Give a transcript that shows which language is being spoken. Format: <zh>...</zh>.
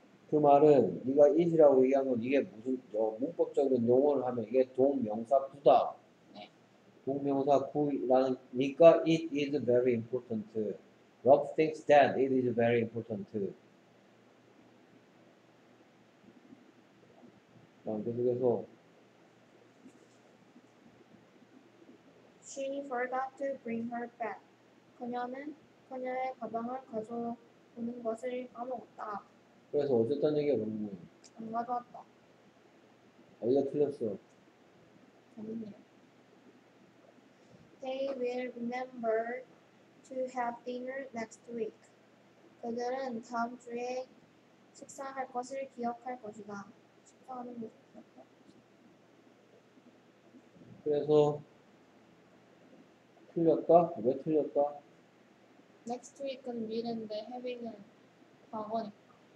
<ko>그 말은 네가 it이라고 얘기한 건 이게 무슨 문법적인 용어를 하면 이게 동명사 구다. 네. 동명사 구라는 네가</ko> <en>it is very important. Rob thinks that it is very important too.</en> <ko>계속해서</ko> <en>She forgot to bring her bag.</en> <ko>그녀는 그녀의 가방을 가져오는 것을 까먹었다. 그래서 어쨌단 얘기가 뭔 거야? 안 가져왔다. 어디가 틀렸어? 아니네요.</ko> <en>They will remember to have dinner next week.</en> <ko>그들은 다음 주에 식사할 것을 기억할 것이다. 식사하는 것. 그래서 틀렸다? 왜 틀렸다? Next week은 미래인데 having은 과거니까.</ko>